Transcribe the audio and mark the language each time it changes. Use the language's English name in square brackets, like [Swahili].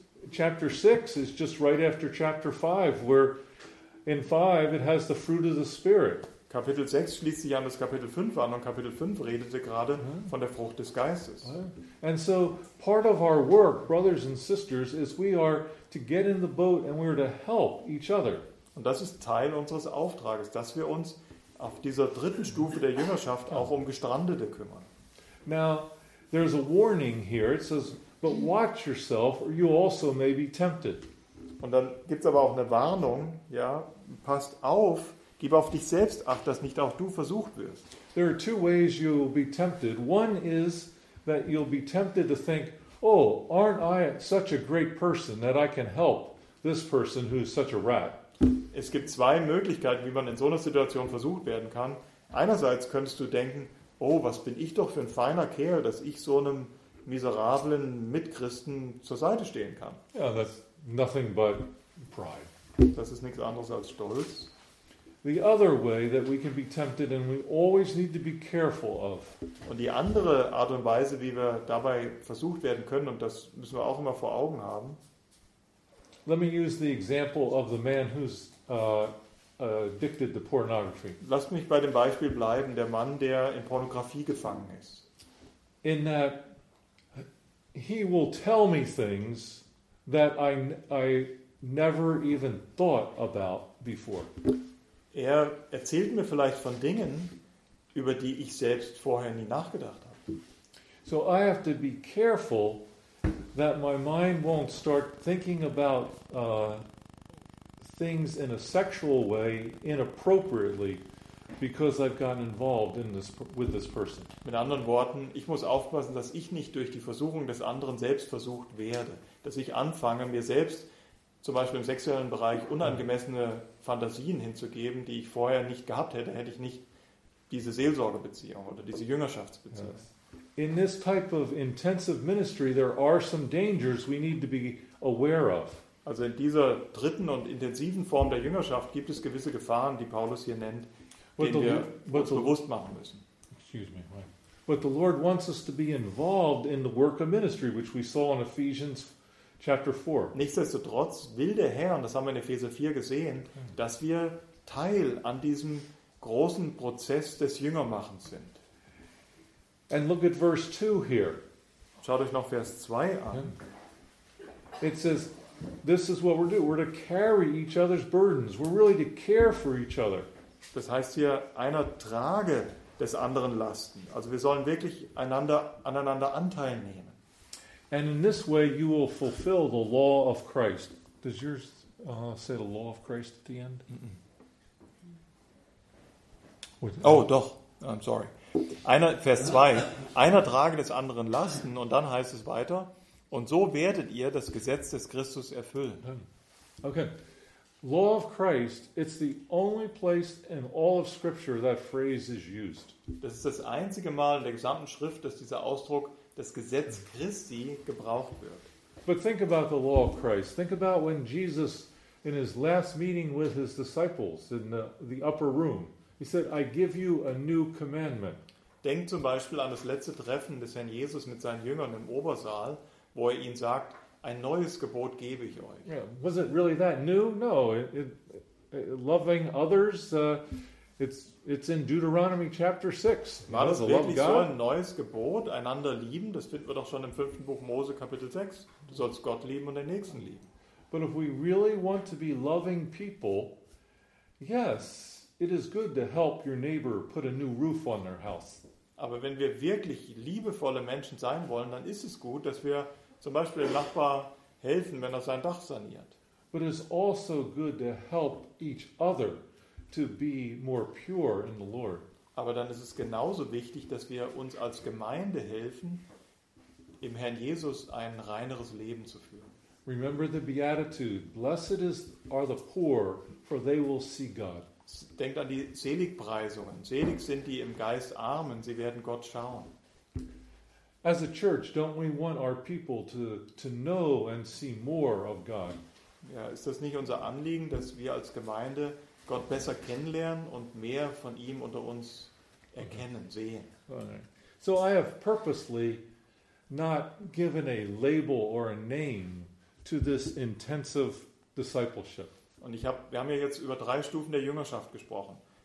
[English] Chapter 6 is just right after chapter 5, where in 5 it has the fruit of the Spirit. [German] Kapitel 6 schließt sich an das Kapitel 5 an und Kapitel 5 redete gerade von der Frucht des Geistes. [English] And so part of our work, brothers and sisters, is we are to get in the boat and we are to help each other. [German] Und das ist Teil unseres Auftrages, dass wir uns auf dieser dritten Stufe der Jüngerschaft auch um Gestrandete kümmern. [English] Now, there's a warning here. It says, but watch yourself or you also may be tempted. [German] Und dann gibt's aber auch eine Warnung, ja, passt auf, gib auf dich selbst acht, dass nicht auch du versucht wirst. [English] There are two ways you'll be tempted. One is that you'll be tempted to think, oh, aren't I such a great person that I can help this person who's such a rat? [German] Es gibt zwei Möglichkeiten, wie man in so einer Situation versucht werden kann. Einerseits könntest du denken, oh, was bin ich doch für ein feiner Kerl, dass ich so einem miserablen Mitchristen zur Seite stehen kann. [English] Yeah, that's nothing but pride. [German] Das ist nichts anderes als Stolz. [English] The other way that we can be tempted and we always need to be careful of. [German] Und die andere Art und Weise, wie wir dabei versucht werden können, und das müssen wir auch immer vor Augen haben. [English] Let me use the example of the man who's addicted to pornography. [German] Lass mich bei dem Beispiel bleiben, der Mann, der in Pornografie gefangen ist. [English] In that he will tell me things that I never even thought about before. [German] Er erzählt mir vielleicht von Dingen, über die ich selbst vorher nie nachgedacht habe. [English] So I have to be careful that my mind won't start thinking about things in a sexual way inappropriately because I've gotten involved in this with this person. [German] Mit anderen Worten, ich muss aufpassen, dass ich nicht durch die Versuchung des anderen selbst versucht werde, dass ich anfange, mir selbst zum Beispiel im sexuellen Bereich unangemessene Fantasien hinzugeben, die ich vorher nicht gehabt hätte, hätte ich nicht diese Seelsorgebeziehung oder diese Jüngerschaftsbeziehung. [English] Yes. In this type of intensive ministry, there are some dangers we need to be aware of. [German] Also in dieser dritten und intensiven Form der Jüngerschaft gibt es gewisse Gefahren, die Paulus hier nennt, bewusst machen müssen. [English] Excuse me. But the Lord wants us to be involved in the work of ministry, which we saw in Ephesians chapter 4. [German] Nichtsdestotrotz will der Herr, und das haben wir in Epheser 4 gesehen, dass wir Teil an diesem großen Prozess des Jüngermachens sind. [English] And look at verse 2 here. [German] Schaut euch noch Vers 2 an. [English] It says, this is what we're doing. We're to carry each other's burdens. We're really to care for each other. [German] Das heißt hier, einer trage des anderen Lasten. Also wir sollen wirklich einander aneinander Anteil nehmen. [English] And in this way you will fulfill the law of Christ. Does yours say the law of Christ at the end? Oh, [German] doch. [English] I'm sorry. [German] Einer, Vers 2. Einer trage des anderen Lasten und dann heißt es weiter, und so werdet ihr das Gesetz des Christus erfüllen. [English] Okay. Law of Christ, it's the only place in all of Scripture that phrase is used. [German] Das ist das einzige Mal in der gesamten Schrift, dass dieser Ausdruck das Gesetz Christi gebraucht wird. [English] But think about the law of Christ. Think about when Jesus, in his last meeting with his disciples in the upper room, he said, I give you a new commandment. [German] Denk zum Beispiel an das letzte Treffen des Herrn Jesus mit seinen Jüngern im Obersaal, wo er ihnen sagt, ein neues Gebot gebe ich euch. [English] Yeah. Was it really that new? No. It, loving others, it's in Deuteronomy chapter 6. [German] War das wirklich so ein neues Gebot, einander lieben? Das finden wir doch schon im 5. Buch Mose, Kapitel 6. Du sollst Gott lieben und den Nächsten lieben. [English] But if we really want to be loving people, yes, it is good to help your neighbor put a new roof on their house. [German] Aber wenn wir wirklich liebevolle Menschen sein wollen, dann ist es gut, dass wir zum Beispiel dem Nachbar helfen, wenn er sein Dach saniert. [English] But it's also good to help each other to be more pure in the Lord. [German] Aber dann ist es genauso wichtig, dass wir uns als Gemeinde helfen, im Herrn Jesus ein reineres Leben zu führen. [English] Remember the beatitude: Blessed are the poor, for they will see God. [German] Denkt an die Seligpreisungen. Selig sind die im Geist Armen, sie werden Gott schauen. [English] As a church, don't we want our people to know and see more of God? [German] Ja, ist das nicht unser Anliegen, dass wir als Gemeinde Gott besser kennenlernen und mehr von ihm unter uns erkennen, sehen? [English] So I have purposely not given a label or a name to this intensive discipleship. [German] Und wir haben ja jetzt über drei Stufen der Jüngerschaft gesprochen.